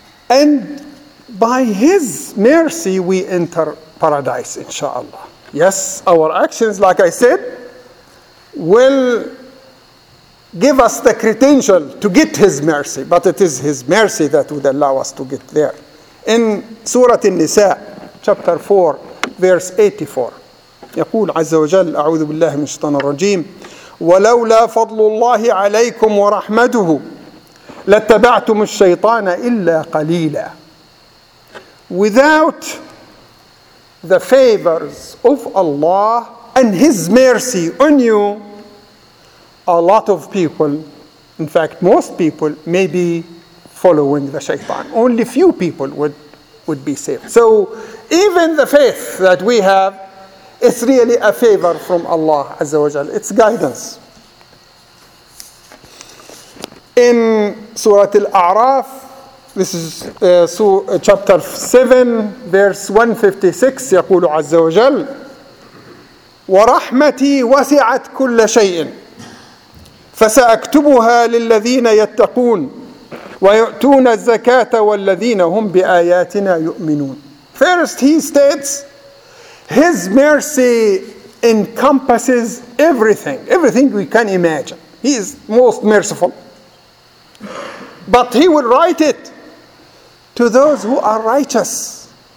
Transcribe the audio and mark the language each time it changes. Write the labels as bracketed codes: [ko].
[en] And by his mercy, we enter paradise, inshallah. Yes, our actions, like I said, will give us the credential to get his mercy, but it is his mercy that would allow us to get there. In Surah An-Nisa, chapter 4, verse 84, [ar] يقول عز وجل, أعوذ بالله من الشيطان الرجيم, ولولا فضل الله عليكم ورحمته لاتبعتم الشيطان إلا قليلا. [en] Without the favors of Allah and his mercy on you, a lot of people, in fact, most people, may be following the shaitan. Only few people would be saved. So even the faith that we have, it's really a favor from Allah Azza wa Jal. It's guidance. In Surah Al-A'raf, this is chapter 7, verse 156, [ar] يقول عز وجل, وَرَحْمَتِي وَسِعَتْ كُلَّ شَيْءٍ فَسَأَكْتُبُهَا لِلَّذِينَ يَتَّقُونَ وَيُؤْتُونَ الزَّكَاةَ وَالَّذِينَ هُمْ بِآيَاتِنَا يُؤْمِنُونَ. [en] First, he states, his mercy encompasses everything, everything we can imagine. He is most merciful. But he will write it to those who are righteous.